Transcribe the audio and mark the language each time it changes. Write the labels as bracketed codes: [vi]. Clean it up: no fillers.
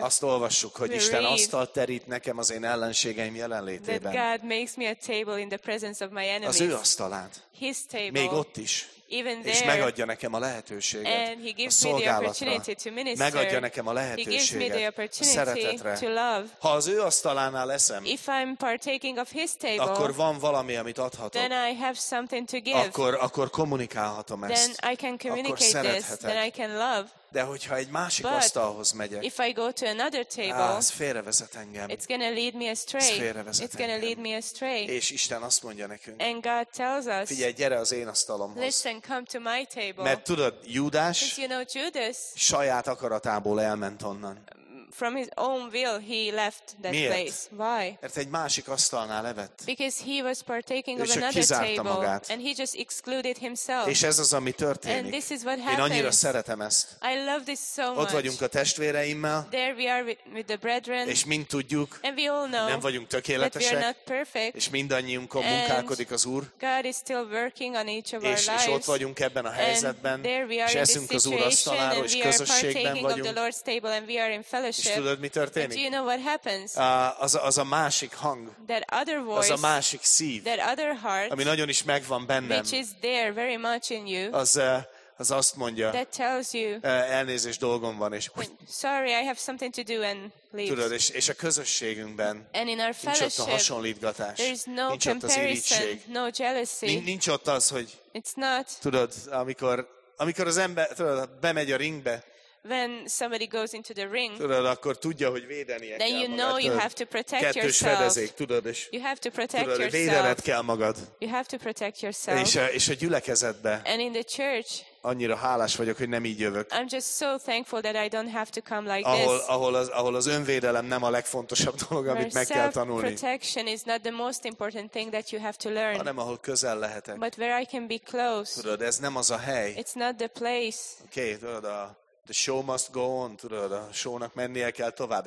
[hu] Azt olvassuk, hogy Isten asztalt terít nekem az én ellenségeim jelenlétében. [en] That God makes me a table in the presence of my enemies. [hu] Az ő asztalát. [en] His table. [hu] Még ott is. [en] Even there, [hu] és megadja nekem a lehetőséget. [en] And he gives me the opportunity to minister. [hu] Megadja nekem a lehetőséget a szeretetre. [en] To love. [hu] Ha az ő asztalánál leszem, [en] if I'm partaking of his table, [hu] akkor van valami, amit adhatok. [en] Then I have something to give. [hu] Akkor kommunikálhatom ezt. [en] Then I can communicate [hu] akkor [en] this. Then I can love. [hu] De hogyha egy másik asztalhoz megyek, [en] if I go to another table, [hu] az félrevezet engem. [en] It's gonna lead me astray. It's gonna lead me astray. [hu] És Isten azt mondja nekünk. [en] And God tells us. [hu] Figyelj, gyere az én asztalomhoz. [en] Listen, come to my table. [hu] Mert tudod, Júdás, [en] you know, Judas, [hu] saját akaratából elment onnan. [en] From his own will he left that [hu] miért? [en] Place. Why? [hu] Mert egy másik asztalnál evett. [en] Because he was partaking of another table. [hu] Magát. [en] And he just excluded himself. [hu] És ez az, ami történik. [en] And this is what happens. [hu] Én annyira szeretem ezt. [en] I love this so much. [hu] Ott vagyunk a testvéreimmel. [en] There we are with the brethren. [hu] És mind tudjuk. [en] And we all know. [hu] Nem vagyunk tökéletesek. [en] That we are not perfect. [hu] És mindannyiunkon munkálkodik az Úr. [en] God is still working on each of our lives. [hu] És ott vagyunk ebben a helyzetben. [en] And there we are [hu] és eszünk az Úr asztaláról, és közösségben vagyunk. [en] The Lord's table and we are in fellowship. [hu] És tudod, mi történik? [en] Do you know what happens? [hu] Az a másik hang, [en] that other voice, [hu] az a másik szív, [en] that other heart, [hu] ami nagyon is megvan bennem, [en] which is there very much in you, [hu] az azt mondja, [en] that tells you, [hu] elnézés, dolgom van, és [en] sorry, I have something to do and leave. [hu] Tudod, és a közösségünkben [en] and in our fellowship, [hu] nincs ott a hasonlítgatás, [en] there is no [hu] nincs ott az irítség, [en] no jealousy, [hu] nincs ott az, hogy [en] it's not, [hu] tudod, amikor az ember tudod, bemegy a ringbe, [en] when somebody goes into the ring, [hu] tudod, akkor tudja, hogy védenie [en] then [hu] kell [en] you know [hu] magad. [en] You have to protect [hu] kettős [en] yourself. [hu] Fedezék, tudod, és [en] you have to protect [hu] tudod, [en] yourself. [hu] Védened kell magad. [en] You have to protect yourself. [hu] És a gyülekezetbe. [en] And in the church, [hu] annyira hálás vagyok, hogy nem így jövök. [en] I'm just so thankful that I don't have to come like [hu] ahol, [en] this. [hu] Ahol az önvédelem nem a legfontosabb dolog, amit [en] where [hu] meg kell tanulni. [en] Protection is not the most important thing that you have to learn. [hu] Hanem ahol közel lehetek. [en] But where I can be close. [hu] Tudod, ez nem az a hely. [en] It's not the place. [hu] Okay, tudod, [en] the show must go on, [hu] tudod, a show-nak mennie kell tovább.